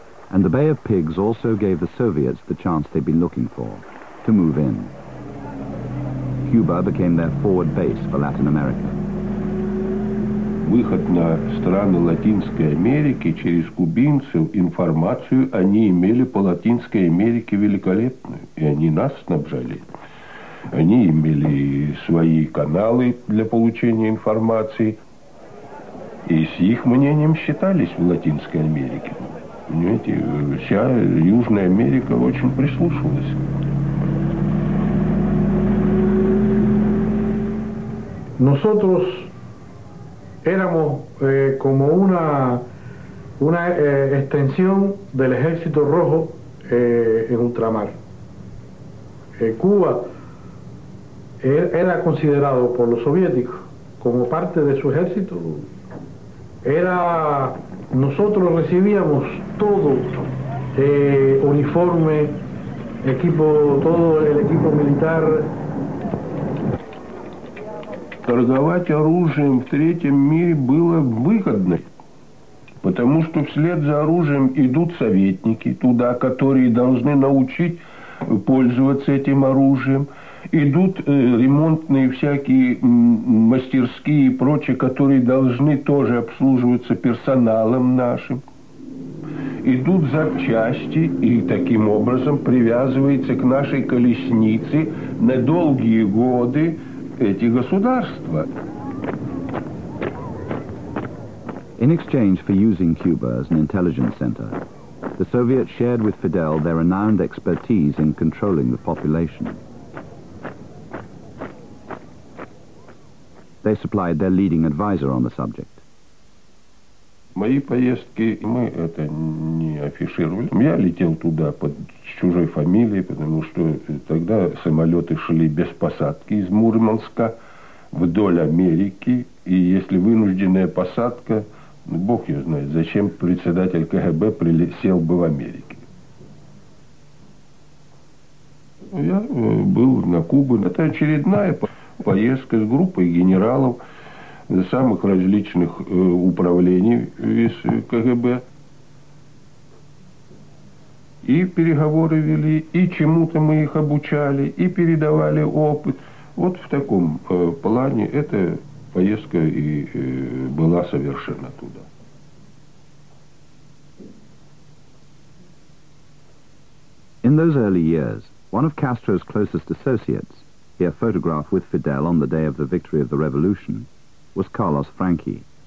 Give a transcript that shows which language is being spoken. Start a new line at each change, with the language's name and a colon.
English: And the Bay of Pigs also gave the Soviets the chance they'd been looking for, to move in. Cuba became their forward base for Latin America.
Russian: Выход на страны Латинской Америки через кубинцев, информацию они имели по Латинской Америке великолепную. И они нас снабжали. Они имели свои каналы для получения информации. И с их мнением считались в Латинской Америке. Понимаете, вся Южная Америка очень прислушивалась.
Spanish: Nosotros éramos como una extensión del ejército rojo en ultramar. Cuba era considerado por los soviéticos como parte de su ejército. Nosotros recibíamos todo, uniforme, equipo, todo el equipo militar.
Russian: Торговать оружием в третьем мире было выгодно, потому что вслед за оружием идут советники туда, которые должны научить пользоваться этим оружием. Идут ремонтные всякие мастерские и прочее, которые должны тоже обслуживаться персоналом нашим. Идут запчасти, и таким образом привязывается к нашей колеснице на долгие годы эти государства.
English: In exchange for using Cuba as an intelligence center, the Soviets shared with Fidel their renowned expertise in controlling the population. They supplied their leading advisor on the subject.
Russian: Мои поездки мы это не афишировали. Я летел туда под чужой фамилией, потому что тогда самолеты шли без посадки из Мурманска вдоль Америки. И если вынужденная посадка, ну, бог ее знает, зачем председатель КГБ прилетел бы в Америке. Я был на Кубе. Это очередная поездка с группой генералов самых различных управлений из КГБ. И переговоры вели, и чему-то мы их обучали, и передавали опыт. Вот в таком плане эта поездка и была совершена туда.
English: In those early years, one of Castro's closest associates, he had a photograph with Fidel on the day of the victory of the revolution, was Carlos Franchi.